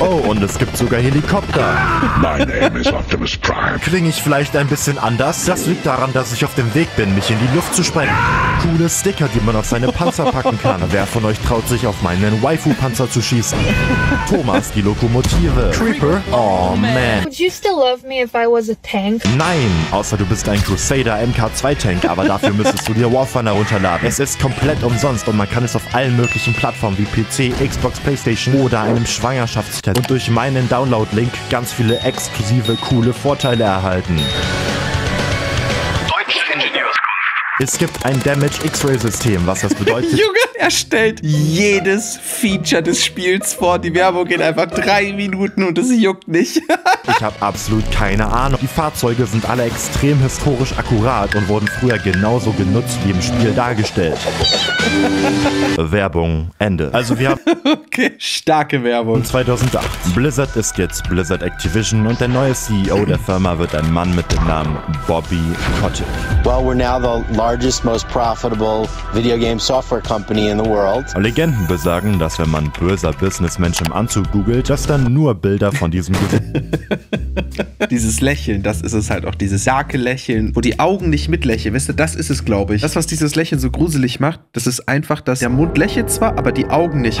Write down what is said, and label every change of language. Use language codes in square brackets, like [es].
[de] Oh, und es gibt sogar Helikopter. [en] My name is Optimus Prime. [de] Klinge ich vielleicht ein bisschen anders? Das liegt daran, dass ich auf dem Weg bin, mich in die Luft zu sprengen. Coole Sticker, die man auf seine Panzer packen kann. Wer von euch traut sich, auf meinen Waifu-Panzer zu schießen? Thomas, die Lokomotive. Creeper? Oh, man. [en] Would you still love me if I was a tank? [de] Nein, außer du bist ein Crusader MK2-Tank, aber dafür müsstest du dir War Thunder runterladen. Es ist komplett umsonst. Und man kann es auf allen möglichen Plattformen wie PC, Xbox, PlayStation oder einem Schwangerschaftstest und durch meinen Download-Link ganz viele exklusive, coole Vorteile erhalten. Deutsche Ingenieurskunst. Es gibt ein Damage-X-Ray-System, was das bedeutet. Junge, er stellt jedes Feature des Spiels vor. Die Werbung geht einfach 3 Minuten und es juckt nicht. Ich habe absolut keine Ahnung. Die Fahrzeuge sind alle extrem historisch akkurat und wurden früher genauso genutzt wie im Spiel dargestellt. Werbung Ende. Also wir haben... Okay, starke Werbung. 2008. Blizzard ist jetzt Blizzard Activision und der neue CEO der Firma wird ein Mann mit dem Namen Bobby Kotick. [en] Well, we're now the largest, most profitable video game software company in the world. [de] Legenden besagen, dass wenn man böser Businessmensch im Anzug googelt, dass dann nur Bilder von diesem dieses Lächeln, das ist es halt auch, dieses starke Lächeln, wo die Augen nicht mitlächeln, wisst ihr, das ist es, glaube ich. Das, was dieses Lächeln so gruselig macht, das ist einfach, dass der Mund lächelt zwar, aber die Augen nicht.